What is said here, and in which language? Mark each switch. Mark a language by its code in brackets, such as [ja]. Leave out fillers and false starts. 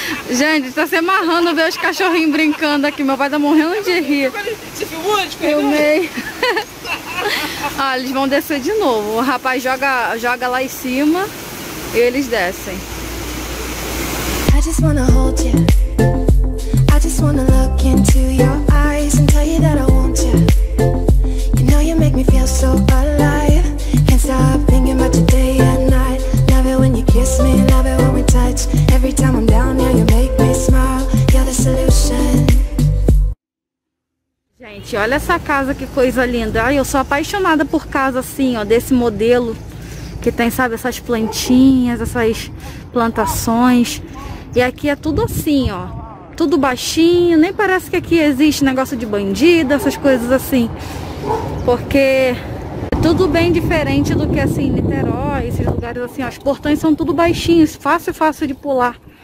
[pt] Gente, tá se amarrando ver os cachorrinhos brincando aqui. Meu pai tá morrendo de rir. Filmei. Ah, eles vão descer de novo. O rapaz joga lá em cima e eles descem. [en] I just wanna hold you. I just wanna look into your eyes and tell you that I want you. You know you make me feel so alive. Can't stop thinking about today and night. Love it when you kiss me. Love it when we touch. Every time I'm down here, you make me smile. You're the solution. [pt] Gente, olha essa casa, que coisa linda. Ai, eu sou apaixonada por casa assim, ó, desse modelo. que tem, sabe, essas plantinhas, essas plantações. E aqui é tudo assim, ó, tudo baixinho, nem parece que aqui existe negócio de bandido, essas coisas assim, porque é tudo bem diferente do que assim Niterói, esses lugares assim, ó. Os portões são tudo baixinhos, fácil de pular.